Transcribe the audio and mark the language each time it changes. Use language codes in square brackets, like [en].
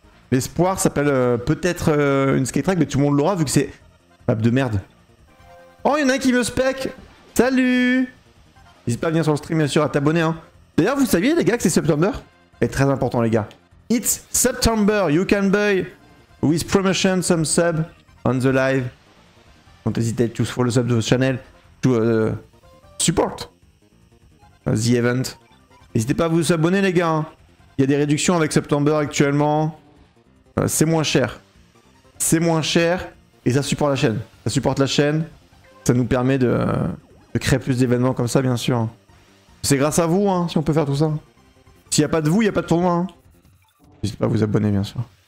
[fr] L'espoir s'appelle peut-être une skate track, mais tout le monde l'aura vu que c'est map de merde. Oh, il y en a un qui me spec. Salut. N'hésite pas à venir sur le stream, bien sûr, à t'abonner. Hein. D'ailleurs, vous saviez, les gars, que c'est September? Et très important, les gars. [en] It's September, you can buy with promotion some sub on the live. Don't hesitate to follow the sub to the channel to support the event. [fr] N'hésitez pas à vous abonner, les gars. Il y a des réductions avec September actuellement. C'est moins cher. C'est moins cher et ça supporte la chaîne. Ça supporte la chaîne. Ça nous permet de créer plus d'événements comme ça, bien sûr. C'est grâce à vous, hein, si on peut faire tout ça. S'il n'y a pas de vous, il n'y a pas de tournoi. N'hésitez pas à vous abonner, bien sûr.